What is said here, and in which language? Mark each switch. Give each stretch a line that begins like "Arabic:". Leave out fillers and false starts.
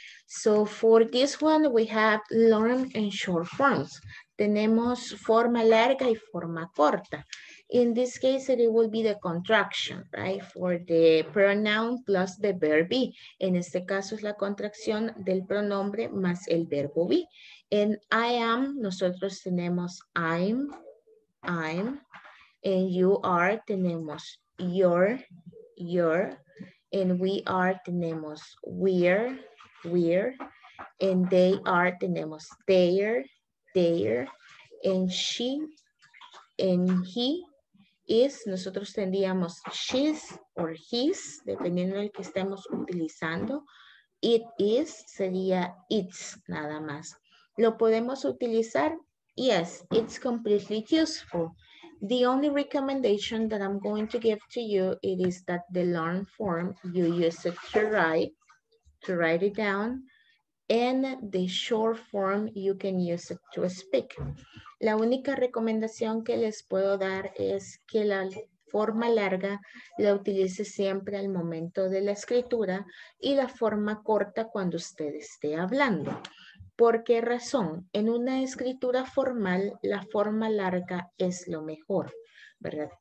English: So for this one, we have long and short forms.
Spanish: Tenemos forma larga y forma corta.
English: In this case, it will be the contraction, right? For the pronoun plus the verb be.
Spanish: En este caso es la contracción del pronombre más el verbo be. En I am, nosotros tenemos I'm, I'm. En you are, tenemos you're. En we are, tenemos we're. En they are, tenemos they're. En she, en he. Is, nosotros tendríamos she's or his, dependiendo del que estemos utilizando. It is, sería it's, nada más. ¿Lo podemos utilizar?
English: Yes, it's completely useful. The only recommendation that I'm going to give to you, it is that the long form, you use it to write it down. And the short form, you can use it to speak.
Spanish: La única recomendación que les puedo dar es que la forma larga la utilice siempre al momento de la escritura y la forma corta cuando usted esté hablando. ¿Por qué razón? En una escritura formal, la forma larga es lo mejor, ¿verdad?